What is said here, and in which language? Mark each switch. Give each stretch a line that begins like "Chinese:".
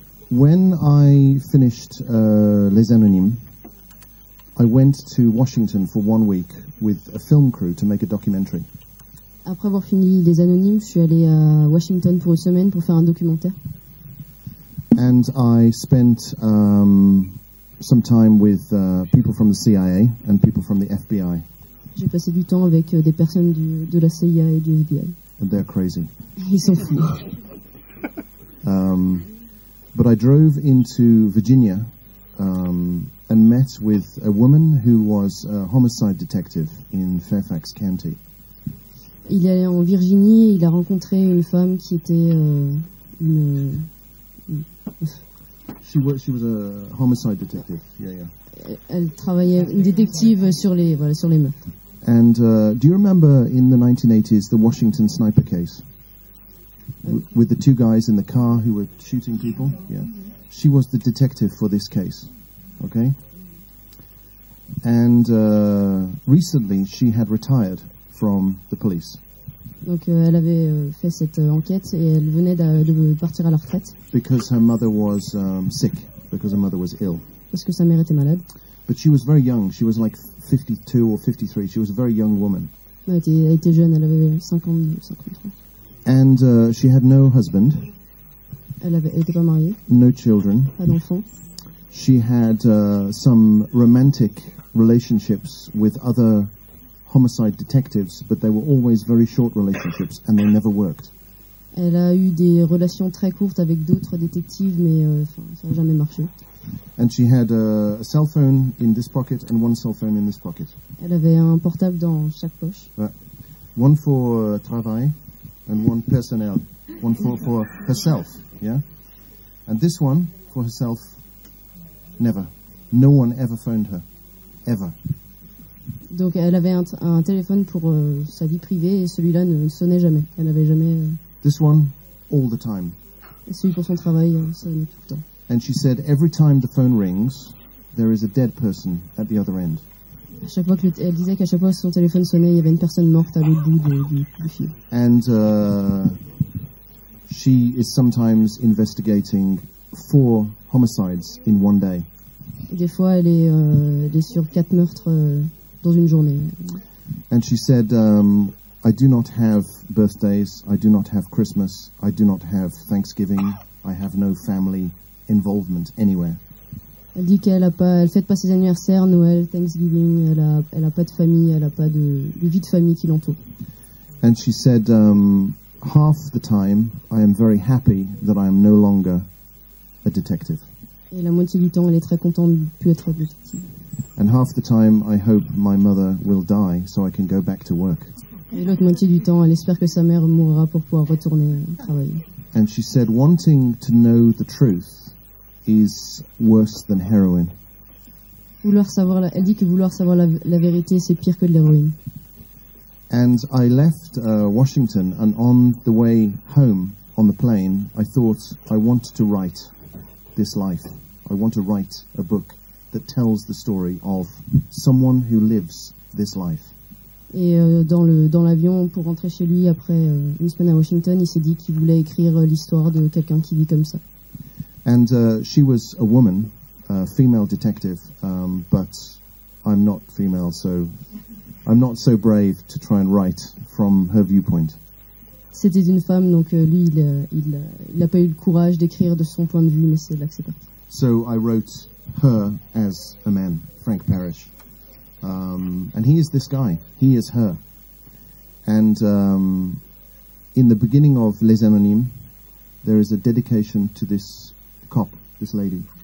English: When I finished Les Anonymes, I went to Washington for 1 week with a film crew to make a documentary.
French: Après avoir fini Les Anonymes, je suis allé à Washington pour une semaine pour faire un documentaire.
English: And I spent some time with people from the CIA and people from the FBI.
French: J'ai passé du temps avec des personnes de la CIA et du FBI.
English: And they're crazy.
French: Ils sont fous.
English: But I drove into Virginia and met with a woman who was a homicide detective in Fairfax County.
French: Il est en Virginie et il a rencontré une femme qui était une...
English: She was a homicide detective. Yeah, yeah.
French: Elle travaillait une détective sur les voilà sur les meurtres.
English: And do you remember in the 1980s the Washington sniper case with the two guys in the car who were shooting people? Yeah. She was the detective for this case. Okay? And recently she had retired from the police.
French: Donc elle avait fait cette enquête et elle venait de partir à la retraite.
English: Because her mother was sick, because her mother was ill.
French: Parce que sa mère était malade.
English: But she was very young. She was like 52 or 53. She was a very young woman.
French: Elle était jeune, elle avait 53.
English: And she had no husband.
French: Elle était pas mariée.
English: No children.
French: Pas d'enfants.
English: She had some romantic relationships with other homicide detectives, but they were always very short relationships and they never worked.
French: Elle a eu des relations très courtes avec d'autres détectives, mais ça n'a jamais marché.
English: And she had a cell phone in this pocket and one cell phone in this pocket.
French: Elle avait un portable dans chaque poche.
English: One for travail and one personnel. One for herself, yeah? And this one for herself, never. No one ever phoned her, ever.
French: Donc elle avait un téléphone pour sa vie privée et celui-là ne sonnait jamais. Elle n'avait jamais...
English: This one, all the time.
French: Et celui pour son travail, ça sonnait tout le temps.
English: And she said, every time the phone rings, there is a dead person at the other end.
French: À chaque fois elle disait qu'à chaque fois que son téléphone sonnait, il y avait une personne morte à l'autre bout du fil.
English: And she is sometimes investigating 4 homicides in one day.
French: Des fois, elle est sur 4 meurtres dans une journée.
English: And she said, I do not have birthdays, I do not have Christmas, I do not have Thanksgiving, I have no family involvement anywhere.
French: Elle dit qu'elle a pas, elle fête pas ses anniversaires, Noël, Thanksgiving, elle a pas de famille, elle a pas de vie de famille qui l'entoure.
English: And she said, half the time, I am very happy that I am no longer a detective.
French: Et la moitié du temps, elle est très contente de plus être détective.
English: And half the time, I hope my mother will die so I can go back to work.
French: Et l'autre moitié du temps, elle espère que sa mère mourra pour pouvoir retourner travailler.
English: And she said, wanting to know the truth is worse than heroin.
French: Elle dit que vouloir savoir la vérité, c'est pire que de l'héroïne.
English: And I left Washington, and on the way home, on the plane, I thought, I want to write this life. I want to write a book that tells the story of someone who lives this life.
French: Et dans l'avion, pour rentrer chez lui après une semaine à Washington, il s'est dit qu'il voulait écrire l'histoire de quelqu'un qui vit comme ça.
English: And she was a woman, a female detective, but I'm not female, so I'm not so brave to try and write from her viewpoint.
French: C'était une femme, donc lui, il n'a pas eu le courage d'écrire de son point de vue, mais c'est là que c'est parti.
English: So I wrote her as a man, Frank Parrish. And he is this guy. He is her. And in the beginning of Les Anonymes, there is a dedication to this cop, this lady.